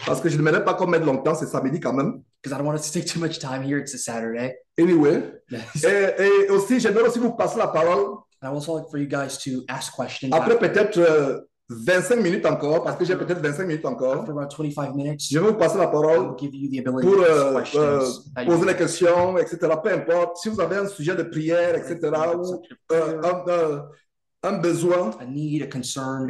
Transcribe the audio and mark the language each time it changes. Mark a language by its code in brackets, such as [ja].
[fr] Parce que je ne m'aimerais pas qu'on mette longtemps, c'est samedi quand même. [en] Because I don't want us to take too much time here, it's a Saturday. Anyway. [fr] et aussi, j'aimerais aussi vous passer la parole. [en] I also like for you guys to ask questions. [fr] Après, peut-être, 25 minutes encore, parce que j'ai peut-être 25 minutes encore. [en] After about 25 minutes, [fr] je vais vous passer la parole [en] give you the ability [fr] pour poser les questions, etc. Peu importe, si vous avez un sujet de prière, etc. ou un besoin, [en] a need, a concern,